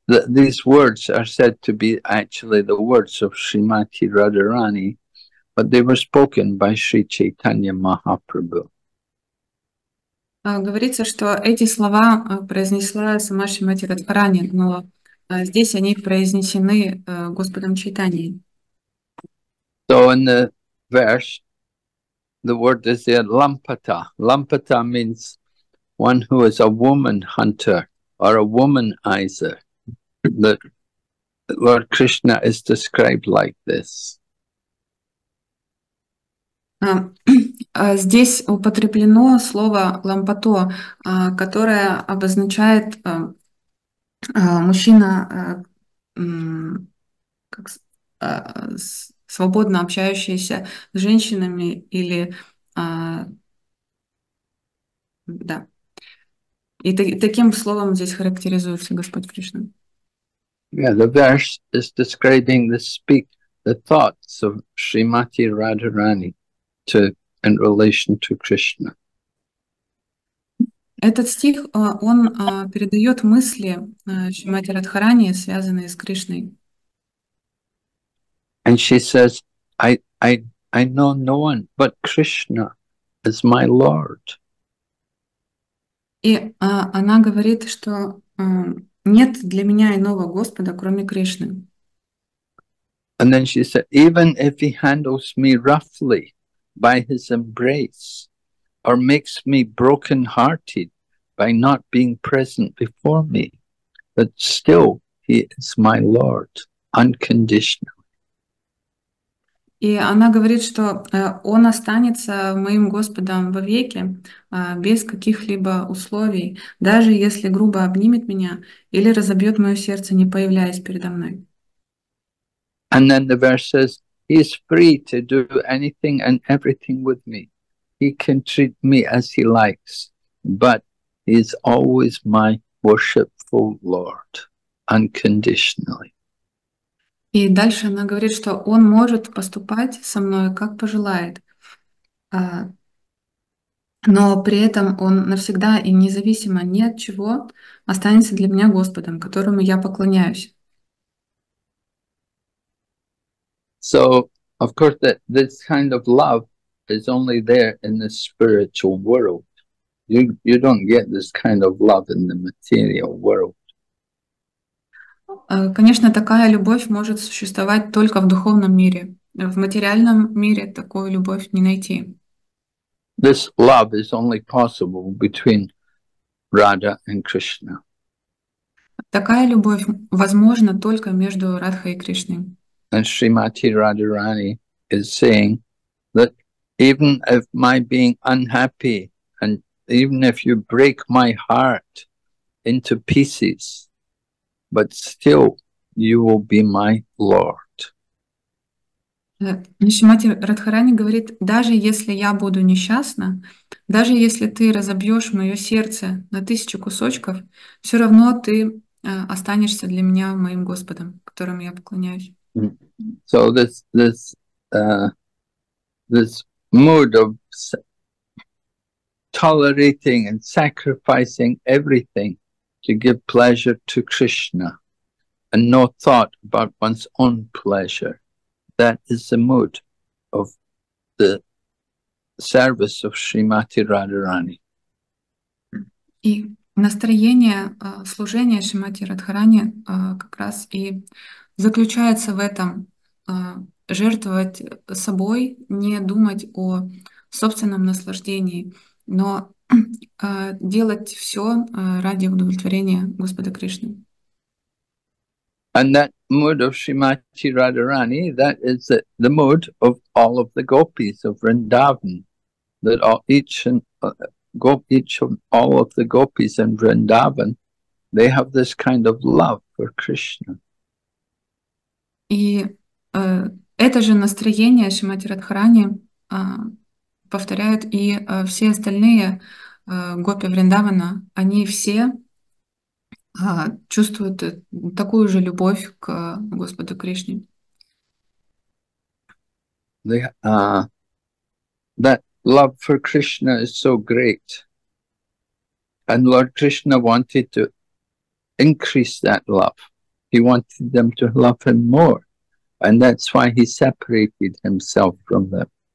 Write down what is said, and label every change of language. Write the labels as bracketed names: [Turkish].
[English] These words are said to be actually the words of Srimati Radharani, but they were spoken by Sri Chaitanya Mahaprabhu. [Russian] Говорится, что эти слова произнесла сама Шримати Радхарани, но здесь они произнесены Господом Чайтаньей. [English] So in the verse, the word is there, lampata. Lampata means one who is a woman hunter or a womanizer. Lord Krishna is described like this. [Russian] Здесь употреблено слово лампато, которое обозначает мужчина, как, свободно общающийся с женщинами, или да. И таким словом здесь характеризуется Господь Кришна. [English] Yeah, the verse is describing the thoughts of Srimati Radharani to in relation to Krishna. [Russian] Этот стих, он передает мысли Шримати Радхарани, связанные с Кришной. [English] And she says, I know no one but Krishna is my Lord. [Russian] И она говорит, что нет для меня иного Господа, кроме Кришны. [English] And then she said, even if he handles me roughly by his embrace or makes me broken-hearted by not being present before me, but still he is my Lord unconditionally. [Russian] И она говорит, что он останется моим Господом вовеки, без каких-либо условий, даже если грубо обнимет меня или разобьет мое сердце, не появляясь передо мной. [English] And then the verse says, he is free to do anything and everything with me. He can treat me as he likes, but he is always my worshipful Lord, unconditionally. [Russian] И дальше она говорит, что он может поступать со мной, как пожелает, но при этом он навсегда и независимо ни от чего останется для меня Господом, которому я поклоняюсь. [English] So, of course, that this kind of love is only there in the spiritual world. You don't get this kind of love in the material world. [Russian] Конечно, такая любовь может существовать только в духовном мире. В материальном мире такую любовь не найти. [English] This love is only possible between Radha and Krishna. [Russian] Такая любовь возможна только между Радхой и Кришной. [English] And Srimati Radharani is saying that even if my being unhappy and even if you break my heart into pieces, but still you will be my Lord. [Russian] Шримати Радхарани говорит, даже если я буду несчастна, даже если ты разобьешь мое сердце на тысячу кусочков, все равно ты останешься для меня моим Господом, которому я поклоняюсь. [English] So this mood of tolerating and sacrificing everything to give pleasure to Krishna and no thought about one's own pleasure, that is the mood of the service of Srimati Radharani. [Russian] И настроение служения Шримати Радхарани как раз и заключается в этом жертвовать собой, не думать о собственном наслаждении, но делать все ради удовлетворения Господа Кришны. [English] And that mood of Srimati Radharani, that is the mood of all of the gopis of Vrindavan, that all, each and each of all of the gopis in Vrindavan, they have this kind of love for Krishna. [Russian] И это же настроение Шримати Радхарани повторяют и все остальные гопи Вриндавана. Они все чувствуют такую же любовь к Господу Кришне. [English] That love for Krishna is so great, and Lord Krishna wanted to increase that love. He wanted them to love him more. And that's why he separated himself from them.